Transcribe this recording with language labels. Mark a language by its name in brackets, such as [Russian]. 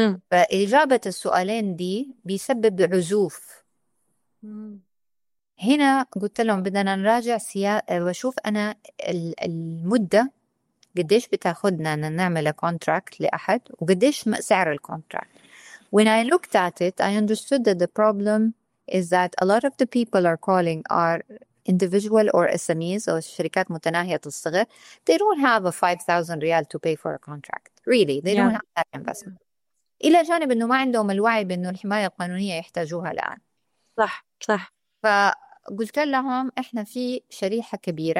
[Arabic] فإجابة السؤالين دي بيسبب عزوف. هنا قلت لهم بدنا نراجع وأشوف أنا المدة قديش بتاخدنا أن نعمل contract لأحد، وقديش سعر الكونتراكت. [English] When I looked at it, I understood that the problem is that a lot of the people are calling are individual or SMEs or [Arabic] شركات متناهية الصغر. [English] They don't have a 5,000 ريال to pay for a contract. Really, they don't have that investment. [Arabic] إلى جانب أنه ما عندهم الوعي بأنه الحماية القانونية يحتاجوها الآن. صح صح. فقلت لهم إحنا في شريحة كبيرة.